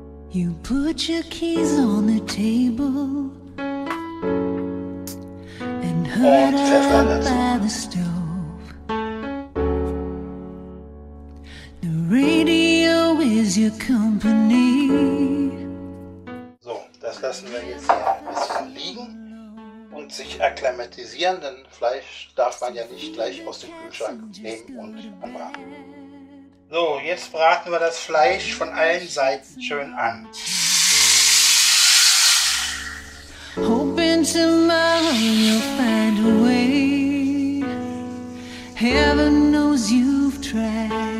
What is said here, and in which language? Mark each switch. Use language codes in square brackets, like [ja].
[en] You put your keys on the table and hurry up by the stove. The radio is your company. [de] So, das lassen wir jetzt hier ein bisschen liegen und sich akklimatisieren, denn Fleisch darf man ja nicht gleich aus dem Kühlschrank nehmen und anbraten. So, jetzt braten wir das Fleisch von allen Seiten schön an. [en] Hoping tomorrow you'll find a way. Heaven knows you've tried.